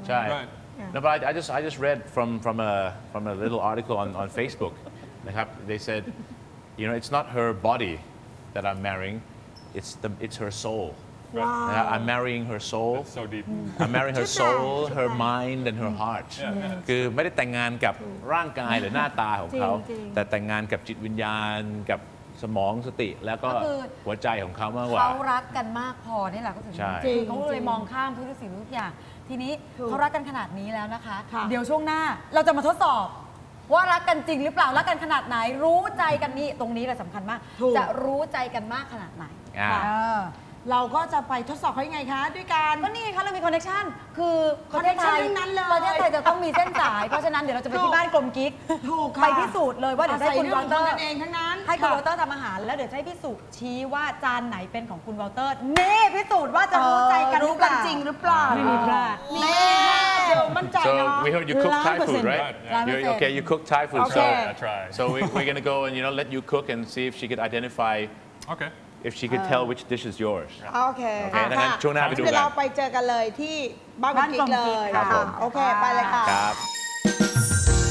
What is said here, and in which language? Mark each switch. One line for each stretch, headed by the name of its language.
English: Right. right. Yeah. No, but I just read from a little article on Facebook. They said, you know, it's not her body that I'm marrying. It's her soul. Wow. I'm marrying her soul. That's so deep. Mm. I'm marrying her soul, her mind, and her heart.
Thai: คือไม่ได้แต่งงานกับร่างกายหรือหน้าตาของเขาแต่แต่งงานกับจิตวิญญาณกับสมองสติแล้วก็หัวใจของเขามากกว่า เขารักกันมากพอนี่แหละเขาถึง ใช่ เขาเลยมองข้ามทุกสิ่งทุกอย่างทีนี้เขารักกันขนาดนี้แล้วนะ คะ เดี๋ยวช่วงหน้าเราจะมาทดสอบว่ารักกันจริงหรือเปล่ารักกันขนาดไหนรู้ใจกันนี่ตรงนี้แหละสำคัญมากจะรู้ใจกันมากขนาดไหน เราก็จะไปทดสอบเขายังไงคะด้วยการ ก็นี่ไงคะเรามีคอนเนคชั่นคือ คอนเนคชั่นนั้นเลย ประเทศไทยจะต้องมีเส้นสายเพราะฉะนั้นเดี๋ยวเราจะไปที่บ้านกลมกิ๊ก ถูกค่ะ ไปพิสูจน์เลยว่าเดี๋ยวให้คุณวอลเตอร์ เองทั้งนั้น ให้คุณวอลเตอร์ทำอาหารแล้วเดี๋ยวให้พิสูจน์ชี้ว่าจานไหนเป็นของคุณวอลเตอร์เน่พิสูจน์ว่าจะรู้ใจกัน รู้กันจริงหรือเปล่า ไม่มีพลาด เน่เดี๋ยวมั่นใจเนาะ
English: we heard you cook Thai food right okay you cook Thai food so we're gonna go and you know let you cook and see if she could identify okay If she could tell which dish is yours. Okay. Okay. And then turn out to do
Thai: that. เราไปเจอกันเลยที่บ้านกิ๊กเลย ครับผม โอเคไปเลยค่ะ ครับ